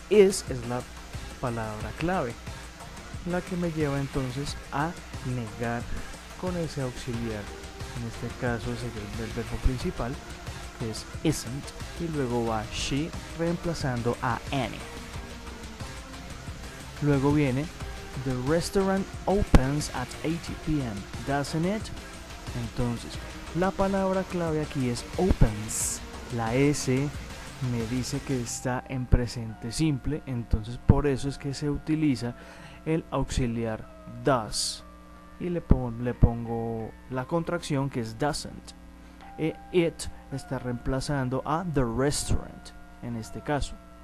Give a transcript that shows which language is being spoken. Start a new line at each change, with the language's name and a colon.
Spanish: Is es la palabra clave, la que me lleva entonces a negar con ese auxiliar. En este caso sería el verbo principal, que es isn't, y luego va she reemplazando a Annie. Luego viene
English: the restaurant opens at 8 p.m., doesn't it?
Spanish: Entonces, la palabra clave aquí es opens. La S me dice que está en presente simple, entonces por eso es que se utiliza el auxiliar does. Y le pongo la contracción, que es doesn't. E it está reemplazando a the restaurant en este caso.